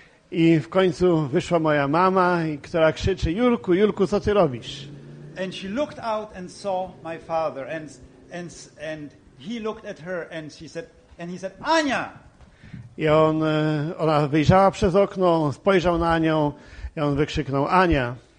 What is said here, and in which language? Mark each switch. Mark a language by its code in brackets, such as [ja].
[pl] I w końcu wyszła moja mama, która krzyczy, Julku, Julku, co ty robisz? [en] And she looked out and saw my father, and he looked at her, and she said, and he said, Ania! [pl] I on, ona wyjrzała przez okno, spojrzał na nią, i on wykrzyknął, Ania!